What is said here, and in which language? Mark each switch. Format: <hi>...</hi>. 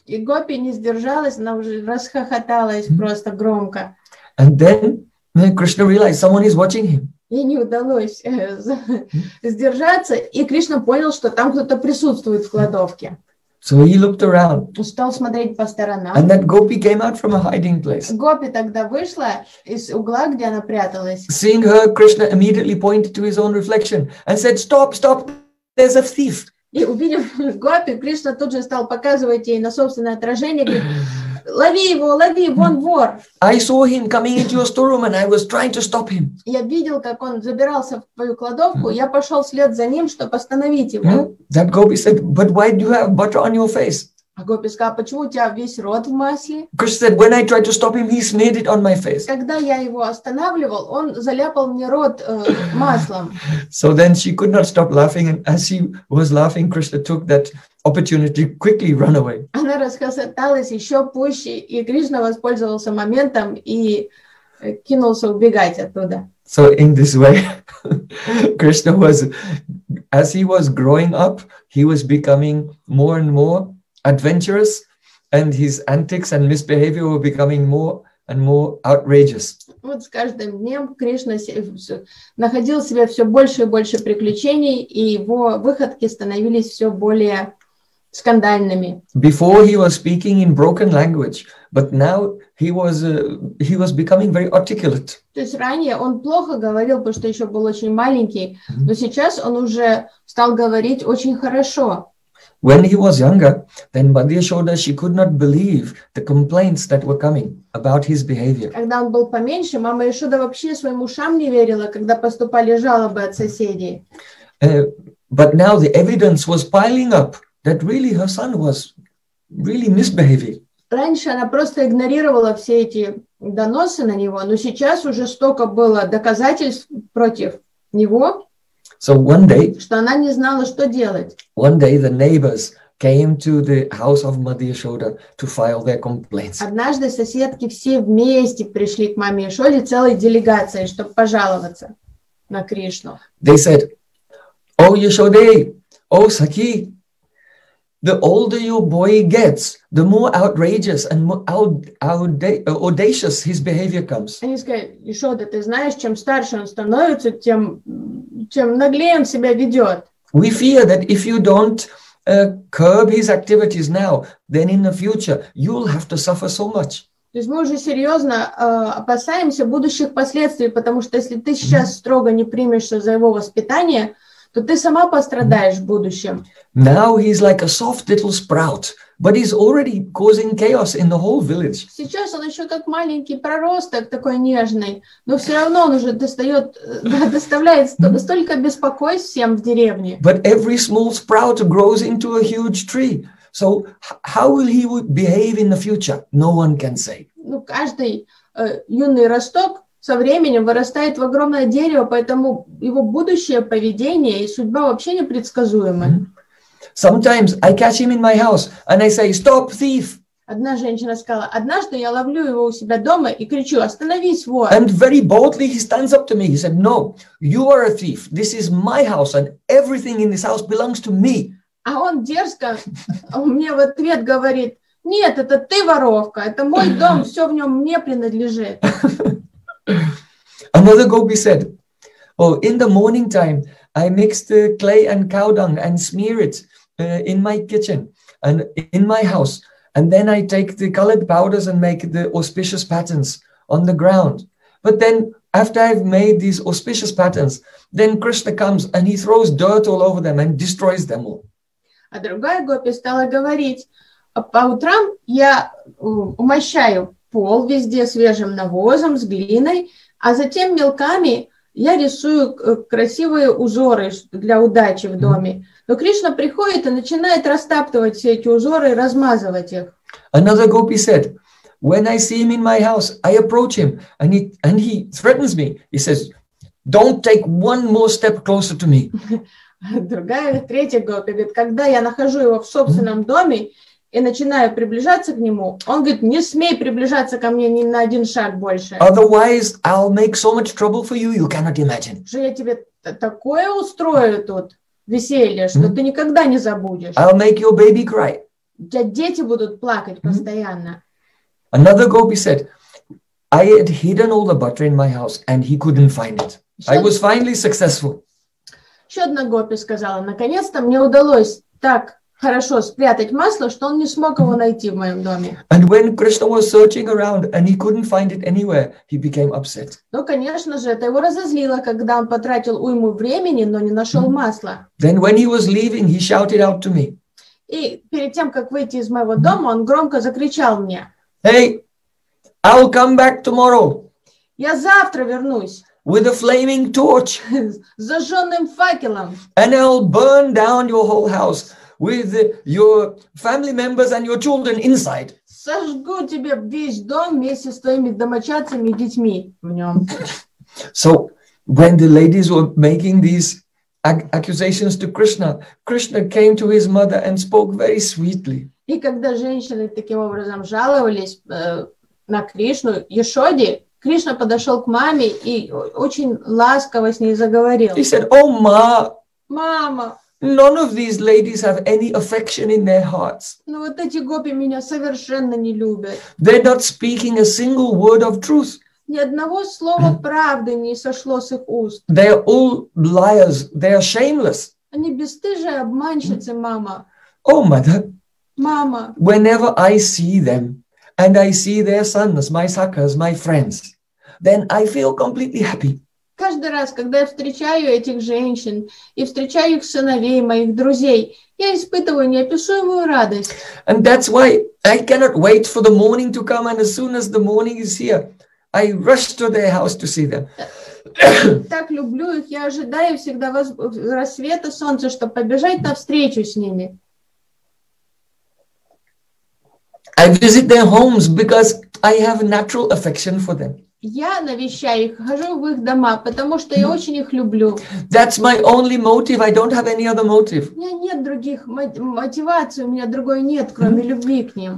<ru>И гопи не сдержалась, она уже расхохоталась просто громко.</ru> <en>And then Krishna realized someone is watching him.</en> <ru>И не удалось сдержаться, и Кришна понял, что там кто-то присутствует в кладовке.</ru> <en>So he looked around.</en> <ru>Стал смотреть по сторонам.</ru> <en>And that gopi came out from a hiding place.</en> <ru>Гопи тогда вышла из угла, где она пряталась.</ru> <en>Seeing her, Krishna immediately pointed to his own reflection and said, "Stop, stop! There's a thief."</en> <ru>И увидев гопи, Кришна тут же стал показывать ей на собственное отражение. Лови его, лови, вон вор.</ru> <en>I saw him coming into your storeroom and I was trying to stop him.</en> <ru>Я видел, как он забирался в твою кладовку, я пошел вслед за ним, чтобы остановить его.</ru> <en>That gopi said, but why do you have butter on your face?</en> <ru>Гопи сказал, почему у тебя весь рот в масле?</ru> <en>Because she said, when I tried to stop him, he smeared it on my face.</en> <ru>Когда я его останавливал, он заляпал мне рот маслом.</ru> <en>So then she could not stop laughing, and as she was laughing, Krishna took that opportunity to quickly run away.</en> <ru>Она расхохоталась еще пуще, и Кришна воспользовался моментом и кинулся убегать оттуда.</ru> <en>So in this way, Krishna was, as he was growing up, he was becoming more and more adventurous, and his antics and misbehavior were becoming more and more outrageous.</en> <ru>Вот с каждым днем Кришна находил себе все больше и больше приключений, и его выходки становились все более скандальными.</ru> <en>Before he was speaking in broken language, but now he was becoming very articulate.</en> <ru>То есть ранее он плохо говорил, потому что еще был очень маленький, но сейчас он уже стал говорить очень хорошо.</ru> <en>When he was younger, then Bandi Yashoda, she could not believe the complaints that were coming about his behavior.</en> <ru>Когда он был поменьше, мама Яшода вообще своим ушам не верила, когда поступали жалобы от соседей.</ru> <en>But now the evidence was piling up that really her son was really misbehaving.</en> <ru>Раньше она просто игнорировала все эти доносы на него, но сейчас уже столько было доказательств против него.</ru> <en>So one day,</en> <ru>что она не знала, что делать.</ru> <en>One day the neighbors came to the house of Madhya Yashoda to file their complaints.</en> <ru>Однажды соседки все вместе пришли к маме Яшоде целой делегацией, чтобы пожаловаться на Кришну.</ru> <en>They said, "Oh Yashoda, oh Sakhi, the older your boy gets, the more outrageous and more audacious his behavior comes."</en> <ru>Они сказали, Яшода, ты знаешь, чем старше он становится, тем чем наглее он себя ведет.</ru> <en>We fear that if you don't curb his activities now, then in the future you'll have to suffer so much.</en> <ru>То есть мы уже серьезно опасаемся будущих последствий, потому что если ты сейчас строго не примешься за его воспитание, то ты сама пострадаешь в будущем.</ru> <en>Now he's like a soft little sprout, but he's already causing chaos in the whole village.</en> <ru>Сейчас он еще как маленький проросток такой нежный, но все равно он уже доставляет столько беспокойств всем в деревне.</ru> <en>But every small sprout grows into a huge tree. So how will he behave in the future? No one can say.</en> <ru>Ну каждый юный росток со временем вырастает в огромное дерево, поэтому его будущее поведение и судьба вообще непредсказуемы.</ru> <en>Sometimes I catch him in my house and I say, "Stop, thief!"</en> <ru>Одна женщина сказала: однажды я ловлю его у себя дома и кричу: остановись, вор!</ru> <en>And very boldly he stands up to me. He said, "No, you are a thief. This is my house and everything in this house belongs to me."</en> <ru>А он дерзко мне в ответ говорит: нет, это ты воровка, это мой дом, все в нем мне принадлежит.</ru> <en>Another gopi said, "Oh, in the morning time, I mix the clay and cow dung and smear it in my kitchen and in my house. And then I take the colored powders and make the auspicious patterns on the ground. But then after I've made these auspicious patterns, then Krishna comes and he throws dirt all over them and destroys them all."</en> <ru>А другая гопи стала говорить, по утрам я умощаю пол везде свежим навозом с глиной, а затем мелками я рисую красивые узоры для удачи в доме. Но Кришна приходит и начинает растаптывать все эти узоры и размазывать их.</ru> <en>Another gopi said, "When I see him in my house, I approach him and he threatens me. He says, 'Don't take one more step closer to me.'"</en> <ru>Третья гопи говорит, когда я нахожу его в собственном доме и начинаю приближаться к нему, он говорит: не смей приближаться ко мне ни на один шаг больше.</ru> <en>Otherwise, I'll make so much trouble for you, you cannot imagine.</en> <ru>Что я тебе такое устрою тут веселье, что ты никогда не забудешь.</ru> <en>I'll make your baby cry.</en> <ru>У тебя дети будут плакать постоянно.</ru> <en>Another gopi said, "I had hidden all the butter in my house, and he couldn't find it. I was finally successful."</en> <ru>Еще одна гопи сказала: наконец-то мне удалось так хорошо спрятать масло, что он не смог его найти в моем доме.</ru> <en>And when Krishna was searching around and he couldn't find it anywhere, he became upset.</en> <ru>Ну, конечно же, это его разозлило, когда он потратил уйму времени, но не нашел масла.</ru> <en>Then when he was leaving, he shouted out to me.</en> <ru>И перед тем, как выйти из моего дома, он громко закричал мне:</ru> <en>"Hey, I'll come back tomorrow.</en> <ru>Я завтра вернусь.</ru> <en>With a flaming torch.</en> <ru>С зажженным факелом.</ru> <en>And I'll burn down your whole house with your family members and your children inside.</en> <ru>Сожгу тебе весь дом вместе с твоими домочадцами и детьми в нем.</ru> <en>So when the ladies were making these accusations to Krishna, Krishna came to his mother and spoke very sweetly.</en> <ru>И когда женщины таким образом жаловались на Кришну, Яшоде, Кришна подошел к маме и очень ласково с ней заговорил.</ru> <en>He said, "Oh, ma,</en> <ru>мама,</ru> <en>none of these ladies have any affection in their hearts.</en> <ru>Ну вот эти гопи меня совершенно не любят.</ru> <en>They're not speaking a single word of truth.</en> <ru>Ни одного слова правды не сошло с их уст.</ru> <en>They're all liars. They are shameless.</en> <ru>Они бесстыжие обманщицы, мама.</ru> <en>Oh, mother,</en> <ru>мама,</ru> <en>whenever I see them and I see their sons, my sakas, my friends, then I feel completely happy.</en> <ru>Каждый раз, когда я встречаю этих женщин и встречаю их сыновей, моих друзей, я испытываю неописуемую радость.</ru> <en>And that's why I cannot wait for the morning to come, and as soon as the morning is here, I rush to their house to see them.</en> <ru>Так люблю их, я ожидаю всегда рассвета солнца, чтобы побежать навстречу с ними. I visit their homes because I have a natural affection for them. Я навещаю их, хожу в их дома, потому что я очень их люблю. That's my only motive. I don't have any other motive. У меня нет других мотиваций, у меня другой нет, кроме любви к ним.</ru>